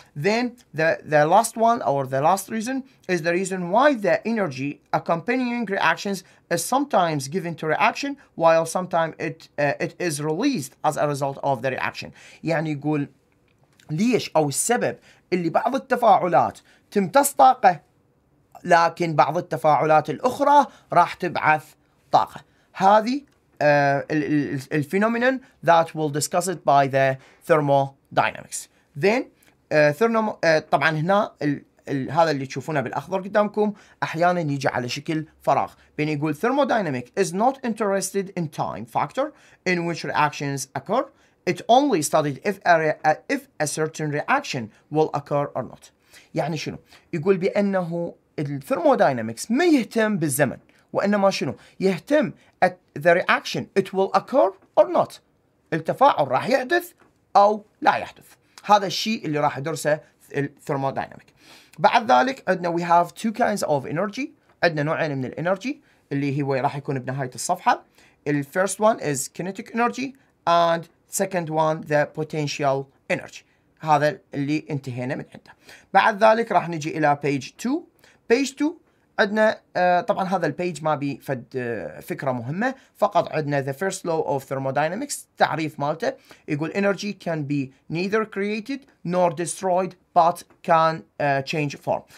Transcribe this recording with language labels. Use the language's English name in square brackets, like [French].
[English] Then the last one or the last reason is the reason why the energy accompanying reactions is sometimes given to reaction while sometimes it is released as a result of the reaction. [Arabic] يعني يقول ليش أو السبب اللي بعض التفاعلات تمتص طاقة لكن بعض التفاعلات الأخرى راح تبعث طاقة. هذه الفينومينون [English] that we'll discuss it by the thermodynamics. [Arabic] Then طبعا هنا هذا اللي تشوفونه بالأخضر قدامكم أحيانا يجي على شكل فراغ بين يقول [English] thermodynamic is not interested in time factor in which reactions occur. It only studied if a certain reaction will occur or not. [Arabic] يعني شنو يقول؟ بأنه الثيرموداينامكس ما يهتم بالزمن وإنما شنو يهتم [English] at the reaction it will occur or not، [Arabic] التفاعل راح يحدث أو لا يحدث. هذا الشيء اللي راح يدرسه الثيرموداينامك. بعد ذلك عندنا [English] we have two kinds of energy، [Arabic] عندنا نوعين من الانرجي اللي هو راح يكون بنهاية الصفحة. [English] The first one is kinetic energy and second one the potential energy. [Arabic] هذا اللي انتهينا من عنده. بعد ذلك راح نجي إلى page 2. Page 2 عندنا طبعا هذا البيج ما بي فد فكرة مهمة، فقط عندنا [English] the first law of thermodynamics [Arabic] تعريف مالته. يقول [English] energy can be neither created nor destroyed but can change form.